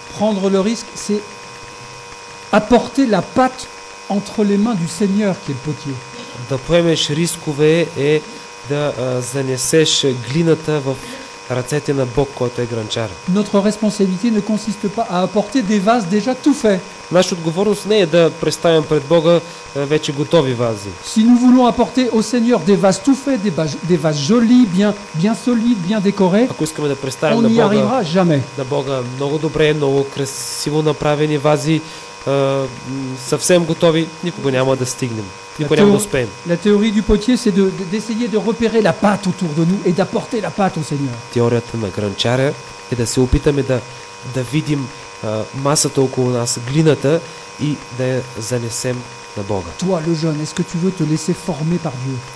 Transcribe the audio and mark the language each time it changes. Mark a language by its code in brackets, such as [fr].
[fr] Prendre le risque, c'est apporter la pâte entre les mains du Seigneur qui est le potier. [bg] Да поемеш рискове е да занесеш глината в ръцете на Бог, който е гранчар. [fr] Notre responsabilité ne consiste pas à apporter des vases déjà tout faits. [bg] Наша отговорност не е да представим пред Бога вече готови вази. [fr] Si nous voulons apporter au Seigneur des vases tout faits, des vases jolis, bien solides, bien décorés. [bg] Ако искаме да представим на Бога, на Бога много добре, много красиво направени вази, съвсем готови, никога няма да стигнем. [fr] La théorie du potier, c'est d'essayer de repérer la pâte autour de nous et d'apporter la pâte au Seigneur. [bg] Теорията на гранчаря е да се опитаме да видим масата около нас, глината, и да я занесем на Бога. [fr] Toi, le jeune, est-ce que tu veux te laisser former par Dieu?